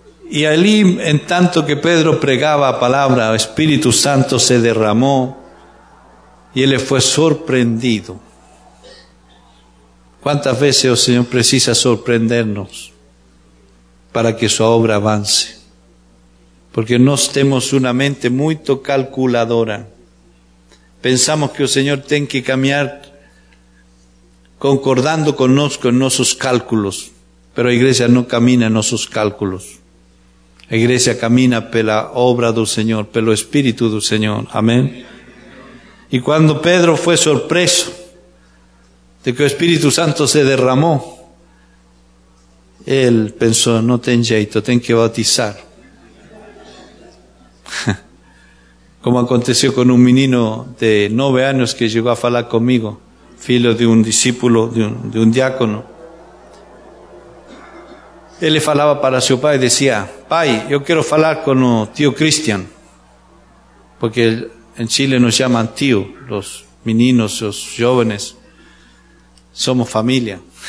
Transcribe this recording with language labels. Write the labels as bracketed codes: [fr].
[es] Y allí, en tanto que Pedro pregaba la palabra, el Espíritu Santo se derramó y Él fue sorprendido. ¿Cuántas veces el Señor precisa sorprendernos para que su obra avance? [pt] Porque nós temos uma mente muito calculadora. Pensamos que o Senhor tem que caminhar concordando conosco em nossos cálculos. Mas a igreja não camina em nossos cálculos. A igreja camina pela obra do Senhor, pelo Espírito do Senhor. Amém? E quando Pedro foi surpreso de que o Espírito Santo se derramou, ele pensou, não tem jeito, tem que bautizar. [es] Como aconteció con un menino de 9 años que llegó a hablar conmigo, filho de un discípulo, de un diácono. Él le falaba para su padre, decía, pai, yo quiero hablar con el tío Cristian, porque en Chile nos llaman tío, los meninos, los jóvenes, somos familia.